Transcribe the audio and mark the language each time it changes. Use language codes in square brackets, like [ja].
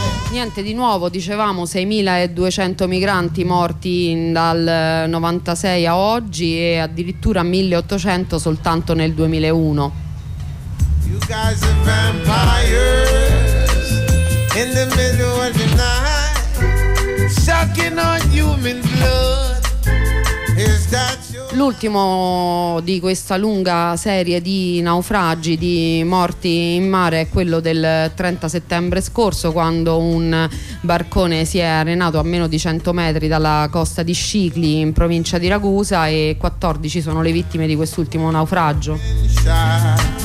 [it] Niente di nuovo, dicevamo 6.200 migranti morti dal 96 a oggi e addirittura 1.800 soltanto nel 2001. [en] You guys are vampires in the middle of the night, sucking on human blood. Is that? [it] L'ultimo di questa lunga serie di naufragi, di morti in mare, è quello del 30 settembre scorso, quando un barcone si è arenato a meno di 100 metri dalla costa di Scicli in provincia di Ragusa, e 14 sono le vittime di quest'ultimo naufragio.